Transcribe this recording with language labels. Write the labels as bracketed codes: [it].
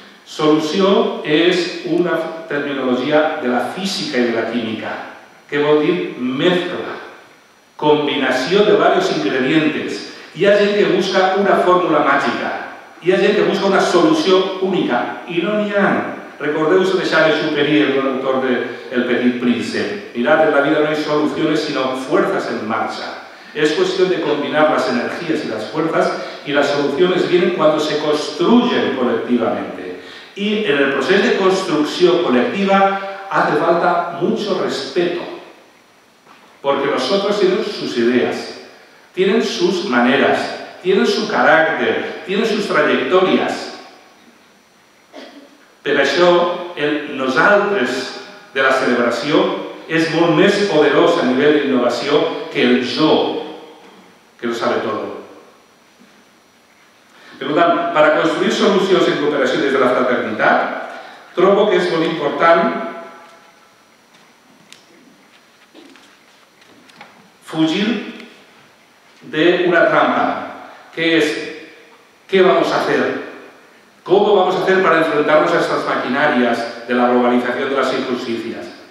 [ca] Solució és una terminologia de la física i de la química, que vol dir mezcla, combinació de diversos ingredients. Hi ha gent que busca una fórmula màgica, hi ha gent que busca una solució única, i no n'hi ha. Recordeu-vos de Charles Schuperi, l'autor de El Petit Príncep. [es] Mirad, en la vida no hay soluciones, sino fuerzas en marcha. Es cuestión de combinar las energías y las fuerzas, y las soluciones vienen cuando se construyen colectivamente. Y en el proceso de construcción colectiva hace falta mucho respeto, porque los otros tienen sus ideas, tienen sus maneras, tienen su carácter, tienen sus trayectorias. [ca] Per això, el nosaltres de la celebració és molt més poderós a nivell d'innovació que el jo, [es] que lo sabe todo. [ca] Per tant, per a construir solucions en cooperació des de la fraternitat, trobo que és molt important fugir d'una trampa, que és què [es] vamos a hacer, cómo vamos a hacer para enfrentarnos a estas maquinarias de la globalización de las injusticias.